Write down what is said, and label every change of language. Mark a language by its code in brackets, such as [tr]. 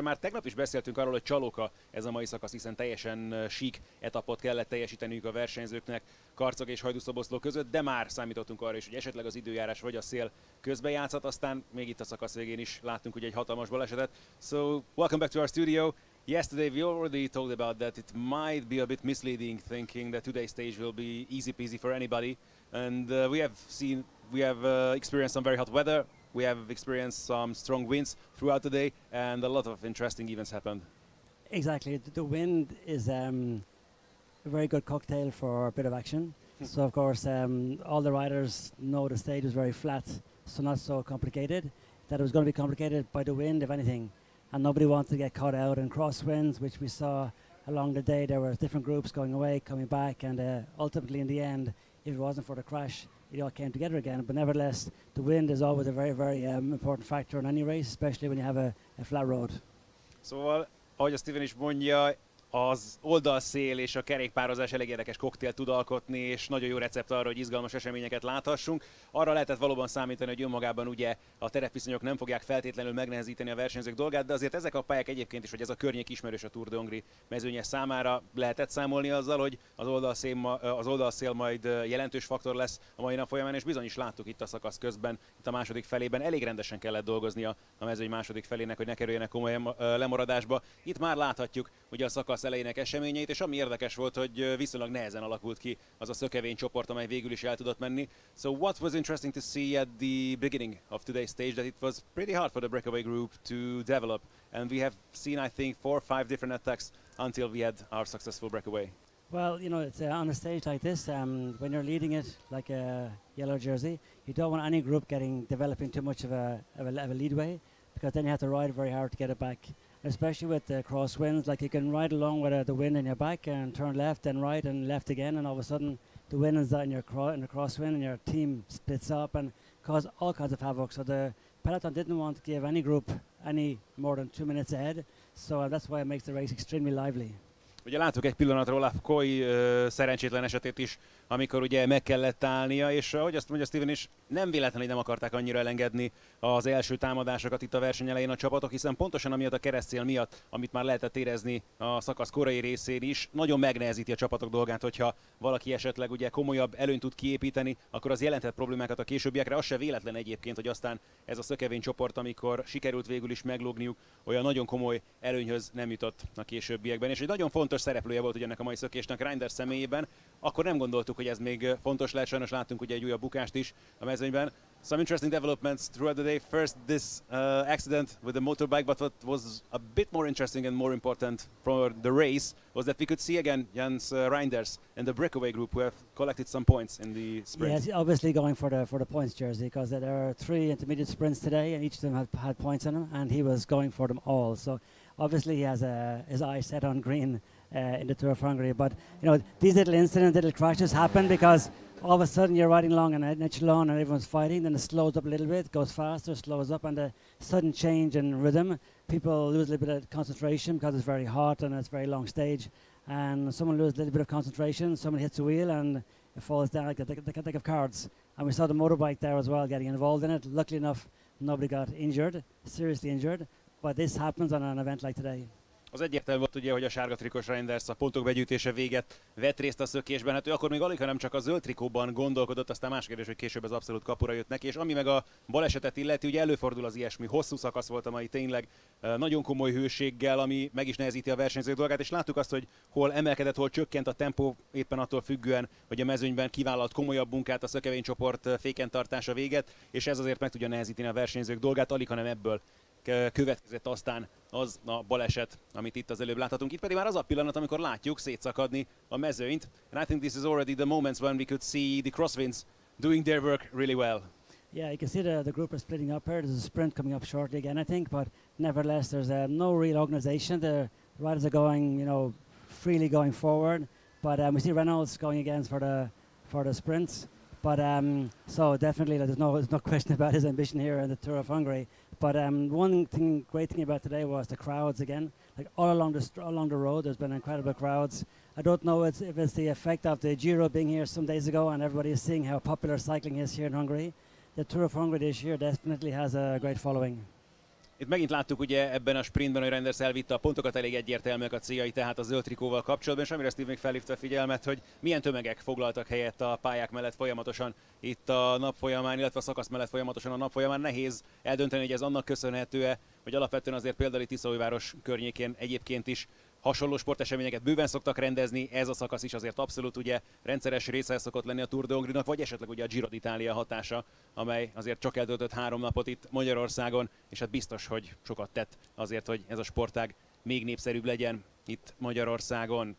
[hu] Már tegnap is beszéltünk arról, hogy csalóka ez a mai szakasz, hiszen teljesen sík etapot kellett teljesíteniük a versenyzőknek Karcag és Hajdúszoboszló között, de már számítottunk arra is, hogy esetleg az időjárás vagy a szél közbejátszhat, aztán még itt a szakasz végén is láttunk ugye egy hatalmas balesetet. [en] So, welcome back to our studio. Yesterday we already talked about that it might be a bit misleading thinking that today's stage will be easy peasy for anybody, and we have experienced some very hot weather, we have experienced some strong winds throughout the day, and a lot of interesting events happened. Exactly, the wind is a very good cocktail for a bit of action. So of course all the riders know the stage is very flat, so not so complicated, that it was going to be complicated by the wind if anything. And nobody wants to get caught out in crosswinds, which we saw along the day. There were different groups going away, coming back, and ultimately in the end, if it wasn't for the crash, it all came together again. But nevertheless, the wind is always a very, very important factor in any race, especially when you have a flat road. [hu] Szóval, ahogy a Steven is mondja, az oldalszél és a kerékpározás elég érdekes koktélt tud alkotni, és nagyon jó recept arra, hogy izgalmas eseményeket láthassunk. Arra lehetett valóban számítani, hogy önmagában ugye a terepviszonyok nem fogják feltétlenül megnehezíteni a versenyzők dolgát, de azért ezek a pályák egyébként is, hogy ez a környék ismerős a Tour de Hongrie mezőnye számára, lehetett számolni azzal, hogy az oldalszél majd jelentős faktor lesz a mai nap folyamán, és bizony is láttuk itt a szakasz közben, itt a második felében elég rendesen kellett dolgoznia a mezőny második felének, hogy ne kerüljenek komoly lemaradásba. Itt már láthatjuk ugye a szakasz elejének eseményeit, és ami érdekes volt, hogy viszonylag nehezen alakult ki az a szökevény csoport, amely végül is el tudott menni. [en] So what was interesting to see at the beginning of today's stage, that it was pretty hard for the breakaway group to develop, and we have seen, I think, 4 or 5 different attacks until we had our successful breakaway. Well, you know, it's on a stage like this, when you're leading it like a yellow jersey, you don't want any group developing too much of a leadway, because then you have to ride very hard to get it back. Especially with the crosswinds, like you can ride along with the wind in your back and turn left and right and left again, and all of a sudden the wind is out in the crosswind and your team splits up and cause all kinds of havoc. So the peloton didn't want to give any group any more than 2 minutes ahead, so that's why it makes the race extremely lively. [hu] Ugye látok egy pillanatra Olaf Kooi szerencsétlen esetét is, amikor ugye meg kellett állnia, és ahogy azt mondja Steven is, nem véletlenül, hogy nem akarták annyira elengedni az első támadásokat itt a verseny elején a csapatok, hiszen pontosan amiatt a keresztcél miatt, amit már lehetett érezni a szakasz korai részén is, nagyon megnehezíti a csapatok dolgát, hogyha valaki esetleg ugye komolyabb előnyt tud kiépíteni, akkor az jelentett problémákat a későbbiekre. Az se véletlen egyébként, hogy aztán ez a szökevény csoport, amikor sikerült végül is meglógniuk, olyan nagyon komoly előnyhöz nem jutott a későbbiekben. És egy nagyon fontos szereplője volt ugye ennek a mai szökésnek Reinder személyében, akkor nem gondoltuk, hogy ez még fontos lehet, sajnos láttunk ugye egy újabb bukást is a mezőnyben. [en] some interesting developments throughout the day. First, this accident with the motorbike, but what was a bit more interesting and more important for the race was that we could see again Jens Reinders and the breakaway group, who have collected some points in the sprint. Yes, obviously going for the points jersey, because there are three intermediate sprints today and each of them had points in them, and he was going for them all. So obviously he has his eye set on green in the Tour of Hungary. But you know, these little incidents, little crashes happen, because all of a sudden you're riding along and an echelon and everyone's fighting, then it slows up a little bit, goes faster, slows up, and a sudden change in rhythm. People lose a little bit of concentration because it's very hot and it's a very long stage. And someone loses a little bit of concentration, someone hits a wheel and it falls down like a deck of cards. And we saw the motorbike there as well getting involved in it. Luckily enough, nobody got injured, seriously injured. But this happens on an event like today. [hu] Az egyértelmű volt ugye, hogy a sárga trikós Reinders a pontok begyűjtése véget vett részt a szökésben. Hát ő akkor még alig, ha nem csak a zöld trikóban gondolkodott, aztán más kérdés, hogy később az abszolút kapura jött neki. És ami meg a balesetet illeti, ugye előfordul az ilyesmi. Hosszú szakasz volt a mai, tényleg nagyon komoly hőséggel, ami meg is nehezíti a versenyzők dolgát. És láttuk azt, hogy hol emelkedett, hol csökkent a tempó, éppen attól függően, hogy a mezőnyben kivállalt komolyabb munkát a szökevénycsoport féken tartása véget. És ez azért meg tudja nehezíteni a versenyzők dolgát, alig, hanem ebből következett aztán az a baleset, amit itt az előbb láthatunk. Itt pedig már az a pillanat, amikor látjuk szétszakadni a mezőnyt. [en] And I think this is already the moments when we could see the crosswinds doing their work really well. Yeah, you can see the group is splitting up here. There's a sprint coming up shortly again, I think. But nevertheless, there's no real organization. The riders are going, you know, freely going forward. But we see Reynolds going again for the sprints. But so definitely, like, there's no question about his ambition here in the Tour of Hungary. But one great thing about today was the crowds again. Like all along the road, there's been incredible crowds. I don't know if it's the effect of the Giro being here some days ago and everybody is seeing how popular cycling is here in Hungary. The Tour of Hungary this year definitely has a great following. [hu] Itt megint láttuk ugye ebben a sprintben, hogy Reinders elvitte a pontokat, elég egyértelműek a céljai tehát a zöld trikóval kapcsolatban, és amire Steve még felhívta a figyelmet, hogy milyen tömegek foglaltak helyet a pályák mellett folyamatosan itt a nap folyamán, illetve a szakasz mellett folyamatosan a nap folyamán. Nehéz eldönteni, hogy ez annak köszönhető-e, hogy alapvetően azért például Tiszaújváros környékén egyébként is hasonló sporteseményeket bőven szoktak rendezni, ez a szakasz is azért abszolút ugye rendszeres része szokott lenni a Tour de Hongrinak, vagy esetleg ugye a Giro d'Italia hatása, amely azért csak eltöltött 3 napot itt Magyarországon, és hát biztos, hogy sokat tett azért, hogy ez a sportág még népszerűbb legyen itt Magyarországon.